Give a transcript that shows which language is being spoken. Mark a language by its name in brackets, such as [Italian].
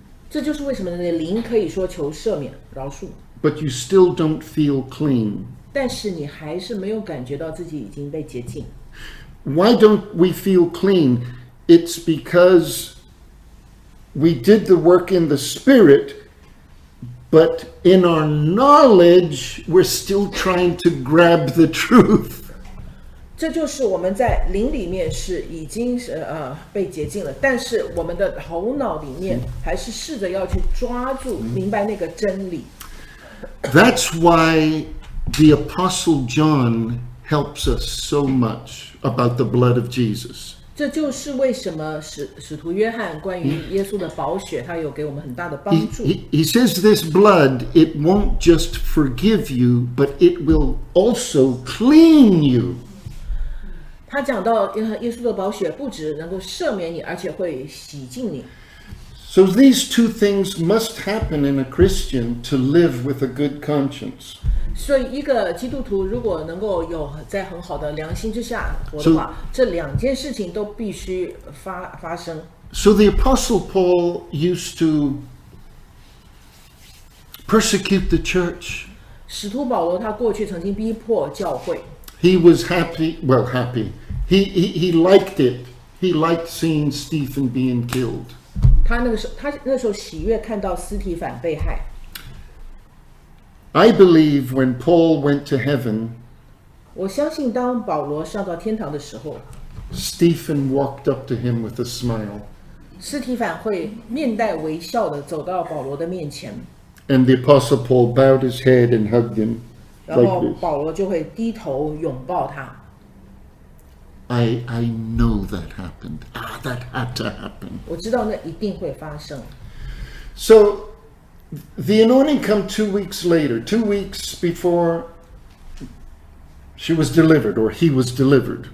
[Chinese] 这就是为什么你的灵可以说求赦免、饶恕。 [English] But you still don't feel clean. [Chinese] 但是你还是没有感觉到自己已经被洁净。 [English] Why don't we feel clean? It's because we did the work in the spirit, but in our knowledge, we're still trying to grab the truth. [Chinese] 这就是我们在灵里面是已经是被洁净了，但是我们的头脑里面还是试着要去抓住明白那个真理。 [English] That's why the Apostle John helps us so much about the blood of Jesus. [Chinese] 这就是为什么使徒约翰关于耶稣的宝血，他有给我们很大的帮助。 [English] He says this blood it won't just forgive you, but it will also clean you. [Chinese] 他讲到耶稣的宝血不只能够赦免你，而且会洗净你。 [English] So these two things must happen in a Christian to live with a good conscience. [Chinese] 所以一个基督徒如果能够有在很好的良心之下活的话，这两件事情都必须发生。 [English] So the Apostle Paul used to persecute the church. [Chinese] 使徒保罗他过去曾经逼迫教会。 [English] He was happy, well, happy. He liked it. He liked seeing Stephen being killed. [Chinese] 他那时候喜悦看到斯提凡被害。 [English] I believe when Paul went to heaven, [Chinese] 我相信当保罗上到天堂的时候， [English] Stephen walked up to him with a smile. [Chinese] 斯提凡会面带微笑的走到保罗的面前。 [English] And the Apostle Paul bowed his head and hugged him. [Chinese] 然后保罗就会低头拥抱他。 [English] I know that happened. Ah, that had to happen. [Chinese] 我知道那一定会发生。 [English] So, the anointing come 2 weeks later, 2 weeks before she was delivered or he was delivered.